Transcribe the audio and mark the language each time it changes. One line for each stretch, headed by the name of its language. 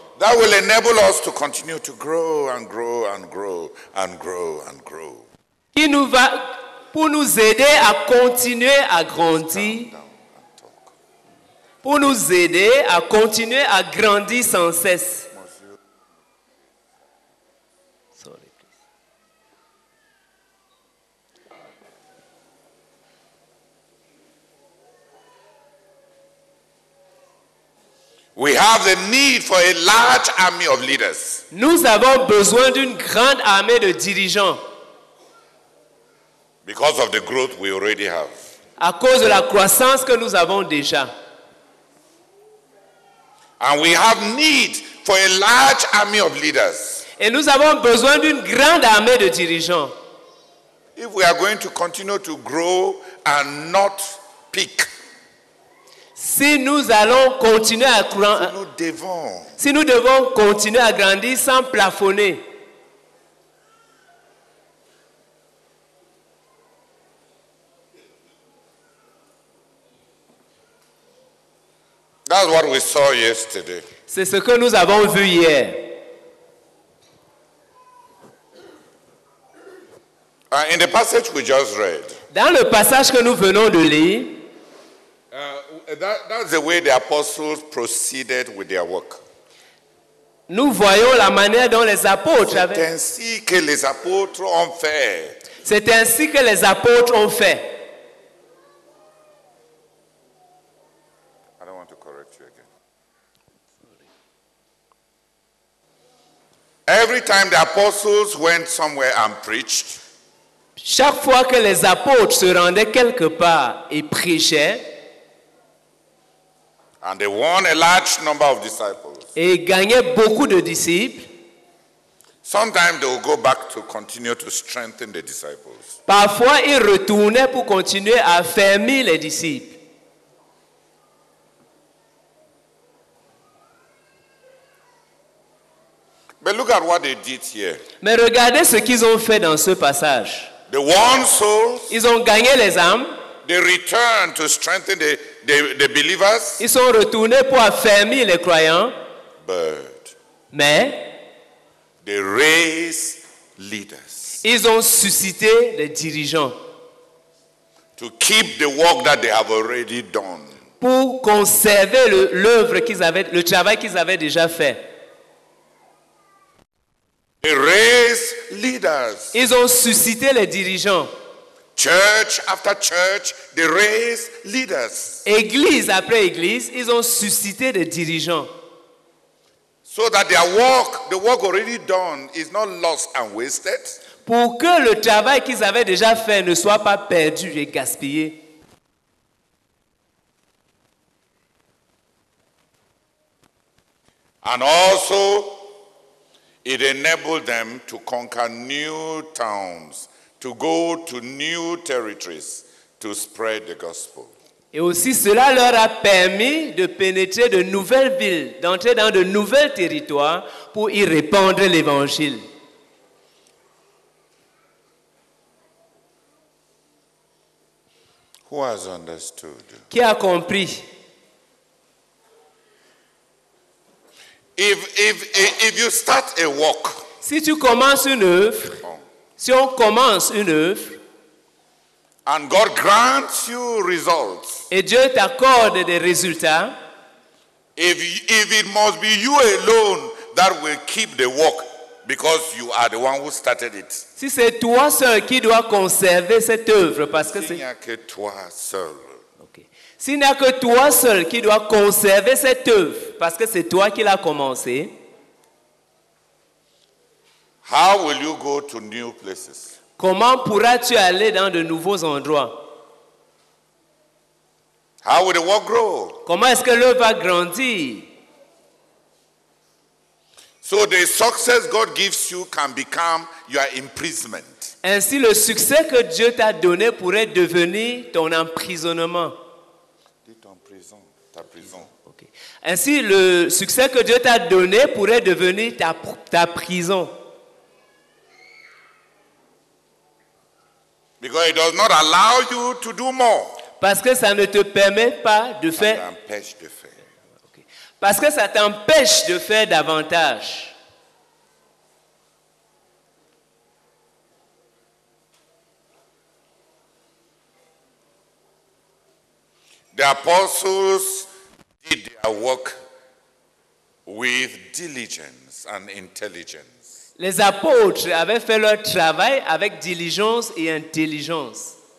English: That will enable us to continue to grow and grow and grow and grow and grow.
French: Qui nous va pour nous aider à continuer à grandir? Pour nous aider à continuer à grandir sans cesse.
English: We have the need for a large army of leaders.
French: Nous avons besoin d'une grande armée de dirigeants.
English: Because of the growth we already have.
French: À cause de la croissance que nous avons déjà.
English: And we have need for a large army of leaders.
French: Et nous avons besoin d'une grande armée de dirigeants.
English: If we are going to continue to grow and not peak.
French: Si nous allons continuer à grandir, si nous devons continuer à grandir sans plafonner,
English: that's what we saw yesterday.
French: C'est ce que nous avons vu hier.
English: In the passage we just read,
French: dans le passage que nous venons de lire.
English: That's the way the apostles proceeded with their work.
French: Nous voyons la manière dont les apôtres avaient. C'est ainsi que les apôtres ont fait. C'est ainsi que les apôtres ont fait.
English: I don't want to correct you again. Every time the apostles went somewhere and preached.
French: Chaque fois que les apôtres se rendaient quelque part et prêchaient.
English: And they won a large number of disciples.
French: Et gagnaient beaucoup de disciples.
English: Sometimes they would go back to continue to strengthen the disciples.
French: Parfois ils retournaient pour continuer à affermir les disciples.
English: But look at what they did here.
French: Mais regardez ce qu'ils ont fait dans ce passage.
English: They won souls.
French: Ils ont gagné les âmes.
English: They return to strengthen the believers.
French: Ils sont retournés pour affermir les croyants.
English: But
French: mais
English: they raise leaders.
French: Ils ont suscité les dirigeants.
English: To keep the work that they have already done.
French: Pour conserver l'œuvre qu'ils avaient, le travail qu'ils avaient déjà fait.
English: They raise leaders.
French: Ils ont suscité les dirigeants.
English: Church after church, they raise leaders.
French: Église après église, ils ont suscité des dirigeants.
English: So that their work, the work already done, is not lost and wasted.
French: Pour que le travail qu'ils avaient déjà fait ne soit pas perdu et gaspillé.
English: And also, it enabled them to conquer new towns. To go to new territories to spread the gospel.
French: Et aussi cela leur a permis de pénétrer de nouvelles villes, d'entrer dans de nouveaux territoires pour y répandre l'évangile.
English: Who has understood?
French: Qui a compris?
English: If you start a work,
French: si tu commences une œuvre. Si on commence une œuvre,
English: and God grants you results,
French: et Dieu t'accorde des résultats,
English: if it must be you alone that will keep the work because you are the one who started it.
French: Si c'est toi seul qui dois conserver cette œuvre parce que s'il n'y a que toi seul.
English: Okay.
French: S'il n'y a que toi seul qui dois conserver cette œuvre parce que c'est toi qui l'as commencé.
English: How will you go to new places?
French: Comment pourras-tu aller dans de nouveaux endroits?
English: How will the work grow?
French: Comment est-ce que l'œuvre va grandir?
English: So the success God gives you can become your imprisonment.
French: Ainsi, le succès que Dieu t'a donné pourrait devenir ton emprisonnement. Dis ton prison, ta prison.
English: Okay.
French: Ainsi, le succès que Dieu t'a donné pourrait devenir ta prison.
English: Because it does not allow you to do more.
French: Parce que ça ne te permet pas de faire. Ça t'empêche de faire. Okay. Parce que ça t'empêche de faire davantage.
English: The apostles did their work with diligence and intelligence.
French: Les apôtres avaient fait leur travail avec diligence et intelligence.